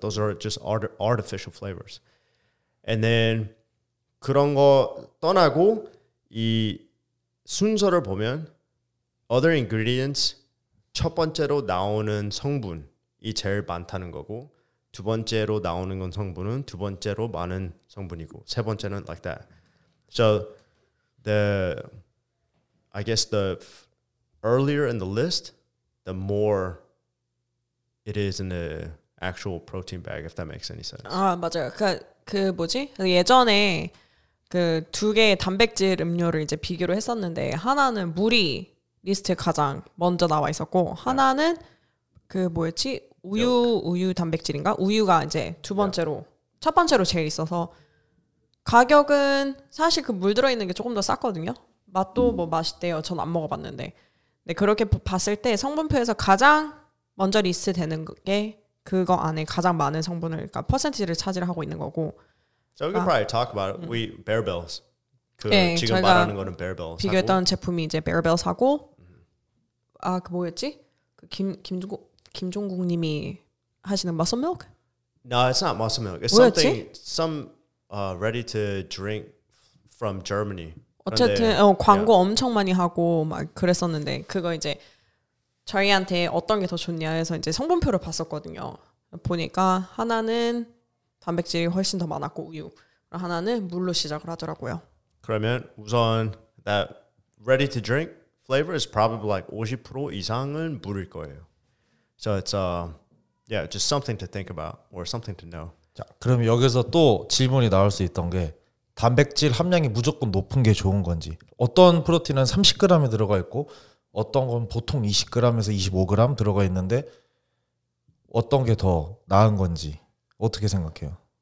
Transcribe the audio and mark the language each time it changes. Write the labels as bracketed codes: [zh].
[en] Those are just artificial flavors. And then [ko] 그런 거 떠나고 이 순서를 보면 [en] other ingredients [ko] 첫 번째로 나오는 성분 이 제일 많다는 거고 두 번째로 나오는 건 성분은 두 번째로 많은 성분이고 세 번째는 [en] like that. So the I guess the earlier in the list, the more it is in the actual protein bag, if that makes any sense. [ko] 아 맞아요. 그 뭐지 예전에 그 두 개의 단백질 음료를 이제 비교를 했었는데 하나는 물이 리스트 가장 먼저 나와 있었고 하나는 그 뭐였지? 우유 단백질인가? 우유가 이제 두 번째로 yeah. 첫 번째로 제일 있어서 가격은 사실 그 물 들어있는 게 조금 더 쌌거든요. 맛도 뭐 맛있대요. 전 안 먹어봤는데. 근데 그렇게 봤을 때 성분표에서 가장 먼저 리스트 되는 게 그거 안에 가장 많은 성분을 그러니까 퍼센티지를 차지하고 있는 거고. [en] So we can probably talk about it. We barebells. [ko] 그 네, 지금 말하는 거는 barebells. 비교했던 하고. 제품이 이제 barebells 하고 아 그 뭐였지? 그 김종국 김종국님이 하시는 muscle milk? [en] No, it's not muscle milk. It's [ko] 뭐였지? [en] something some ready to drink from Germany. [ko] 어쨌든 그런데, 광고 yeah. 엄청 많이 하고 막 그랬었는데 그거 이제 저희한테 어떤 게 더 좋냐 해서 이제 성분표를 봤었거든요. 보니까 하나는 단백질이 훨씬 더 많았고 우유. 하나는 물로 시작을 하더라고요. 그러면 우선 [en] that ready to drink flavor is probably like 50% [ko] 이상은 물일 거예요. [en] So it's yeah, just something to think about or something to know. [ko] 자, 그럼 여기서 또 질문이 나올 수 있던 게 단백질 함량이 무조건 높은 게 좋은 건지. 어떤 프로틴은 30g이 들어가 있고 어떤 건 보통 20g에서 25g 들어가 있는데 어떤 게 더 나은 건지 어떻게 생각해요?